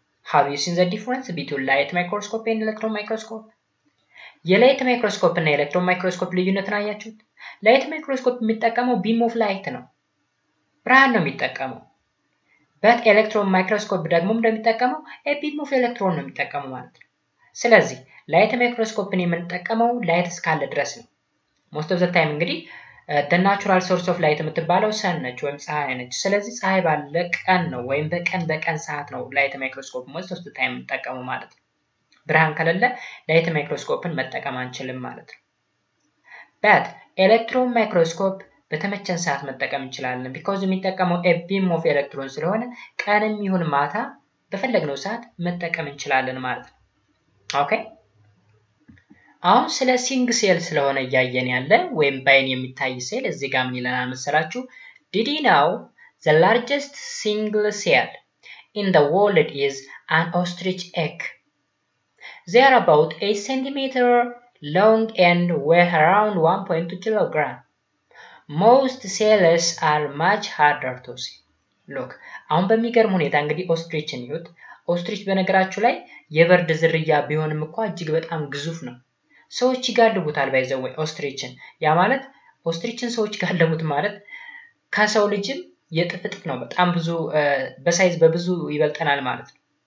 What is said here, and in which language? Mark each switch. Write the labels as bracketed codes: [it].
[en] Have you seen the difference between light microscope and electron microscope? [am] የላይት ማይክሮስኮፕ እና ኤሌክትሮን ማይክሮስኮፕ ልዩነት ነው ያያችሁት? ላይት ማይክሮስኮፕ የሚጠቀመው [en] beam of light [am] ነው። ብርሃን ነው የሚጠቀመው። በት ኤሌክትሮን ማይክሮስኮፕ ደግሞ እንደሚጠቀመው [en] a beam of electron [am] ነው የሚጠቀመው ማለት ነው። ስለዚህ ላይት ማይክሮስኮፕን የምንጠቀመው ላይት እስካለ ድረስ ነው። [en] most of the time [am] እንግዲህ [en] the natural source of light [am] የምትባለው ሰን ነች ወይም ፀሐይ ነች። ስለዚህ ፀሐይ ባለ ቀን ነው ወይም በቀን ሰዓት ነው ላይት ማይክሮስኮፕ most of the time የምንጠቀመው ማለት ነው። ብርሃን ከሌለ ላይት ማይክሮስኮፕን መጠቀም አንችልም ማለት ነው። but electron microscope በተመቸን ሰዓት መጠቀም እንችላለን because የሚጠቀመው [en] a beam of electron [am] ስለሆነ ቀንም ይሁን ማታ በፈለግነው ሰዓት መጠቀም እንችላለን ማለት ነው። okay አሁን ስለ ሲንግ ሴል ስለሆነ ያያየን ያለ ወይም በአይን የሚታይ ሴል እዚህ ጋር ምን ይለናል መሰላችሁ? [en] did you know the largest single cell in the world is an ostrich egg. They are about 8 cm long and weigh around 1.2 kg. Most cells are much harder to see. [am] Look, አሁን በሚገርም ሁኔታ እንግዲህ ኦስትሪችን ይዩት። ኦስትሪች በነገራችሁ ላይ የበርድ ዝርያ ቢሆንም እንኳን እጅግ በጣም ግዙፍ ነው። ሰዎች ይጋልቡታል ባይዘው ኦስትሪችን። ያ ማለት ኦስትሪችን ሰዎች ጋልቡት ማለት ከሰው ልጅም የጥፍጥፍ ነው። በጣም ብዙ በሳይዝ በብዙ ይበልጠናል ማለት ነው።